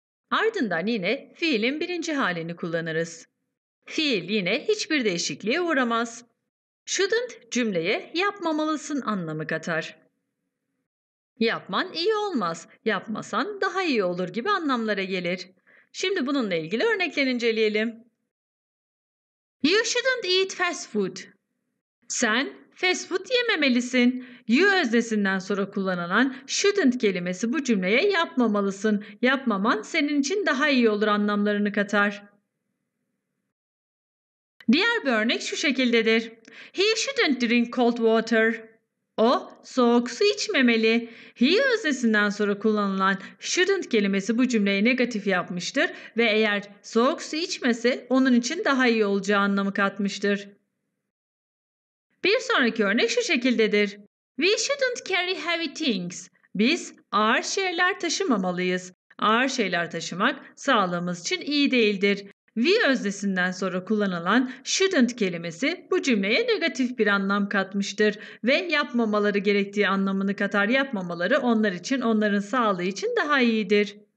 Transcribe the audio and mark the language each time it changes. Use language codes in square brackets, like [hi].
[tr] Ardından yine fiilin birinci halini kullanırız. Fiil yine hiçbir değişikliğe uğramaz. Shouldn't cümleye yapmamalısın anlamı katar. Yapman iyi olmaz, yapmasan daha iyi olur gibi anlamlara gelir. Şimdi bununla ilgili örneklerini inceleyelim. [en] You shouldn't eat fast food. [tr] Sen fast food yememelisin. You öznesinden sonra kullanılan shouldn't kelimesi bu cümleye yapmamalısın. Yapmaman senin için daha iyi olur anlamlarını katar. Diğer bir örnek şu şekildedir. [en] He shouldn't drink cold water. [tr] O soğuk su içmemeli. He öznesinden sonra kullanılan shouldn't kelimesi bu cümleyi negatif yapmıştır ve eğer soğuk su içmese onun için daha iyi olacağı anlamı katmıştır. Bir sonraki örnek şu şekildedir. [en] We shouldn't carry heavy things. [tr] Biz ağır şeyler taşımamalıyız. Ağır şeyler taşımak sağlığımız için iyi değildir. We öznesinden sonra kullanılan shouldn't kelimesi bu cümleye negatif bir anlam katmıştır ve yapmamaları gerektiği anlamını katar. Yapmamaları onlar için, onların sağlığı için daha iyidir.